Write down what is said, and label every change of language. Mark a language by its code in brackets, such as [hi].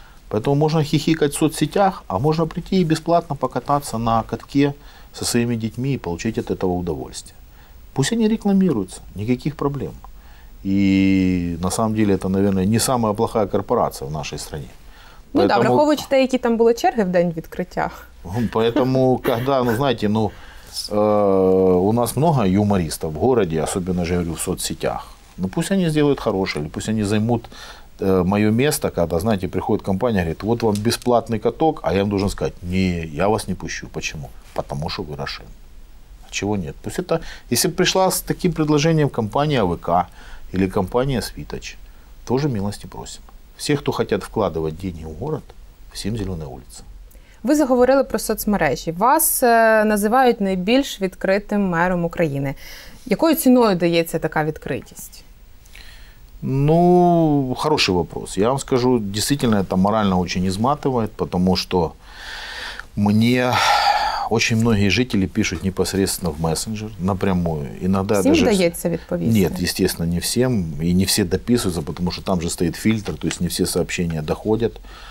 [ru] Поэтому можно хихикать в соцсетях, а можно прийти и бесплатно покататься на катке со своими детьми и получить от этого удовольствие. Пусть они рекламируются, никаких проблем. И на самом деле это, наверное, не самая плохая корпорация в нашей стране. Ну поэтому, да, [uk] враховуючи те, які там були черги в день відкриття. [ru] Поэтому, когда, ну знаете, ну, у нас много юмористов в городе, особенно же, я говорю, в соцсетях. Ну пусть они сделают хорошее, или пусть они займут мое место, когда, знаете, приходит компания, говорит, вот вам бесплатный каток, а я им должен сказать, не, я вас не пущу. Почему? Потому что вы Рошен. А чего нет? Пусть это, если бы пришла с таким предложением компания АВК, или компания «Свиточ», тоже милости просим. Все, кто хотят вкладывать деньги в город, всем зеленая улица. [uk] Ви заговорили про соцмережі. Вас називають найбільш відкритим мером України. Якою ціною дається така відкритість? [ru] Ну, хороший вопрос. Я вам скажу, действительно, это морально очень изматывает, потому что мне очень многие жители пишут непосредственно в мессенджер, напрямую. Иногда всем даже дается відповісти? Нет, естественно, не всем. И не все дописываются, потому что там же стоит фильтр, то есть не все сообщения доходят.